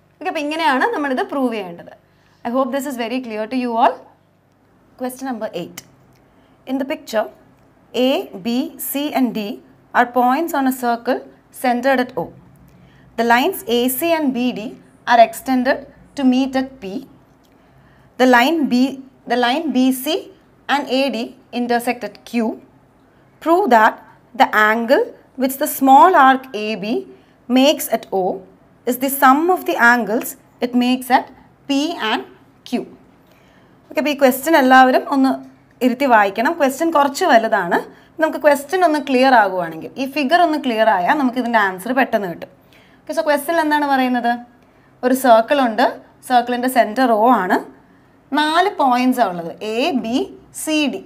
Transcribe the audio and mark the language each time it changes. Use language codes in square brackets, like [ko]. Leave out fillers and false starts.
[ml] Okay, അപ്പോൾ ഇങ്ങനെയാണ് നമ്മളിത് പ്രൂവ് ചെയ്യേണ്ടത്. [en] I hope this is very clear to you all. [ml] Question number 8. [en] In the picture A B C and D are points on a circle centred at O. The lines A C and B D are extend to meet at P. The line BC and AD intersect at Q. Prove that the angle which the small arc AB makes at O is the sum of the angles it makes at P and Q. [ml] Okay, അപ്പോൾ ഈ question എല്ലാവരും ഒന്ന് ഇരുത്തി വായിക്കണം. Question കുറച്ച് വലുതാണ്. നമുക്ക് question ഒന്ന് ക്ലിയർ ആകുവാണെങ്കിൽ, ഈ ഫിഗർ ഒന്ന് ക്ലിയർ ആയാൽ നമുക്ക് ഇതിൻ്റെ ആൻസർ പെട്ടെന്ന് കിട്ടും. ഓക്കെ, സോ ക്വസ്റ്റ്യൻ എന്താണ് പറയുന്നത്? ഒരു സർക്കിളുണ്ട്, സർക്കിളിൻ്റെ സെൻറ്റർ ഓ ആണ്, നാല് പോയിൻറ്റ്സാണ് ഉള്ളത്, എ ബി സി ഡി.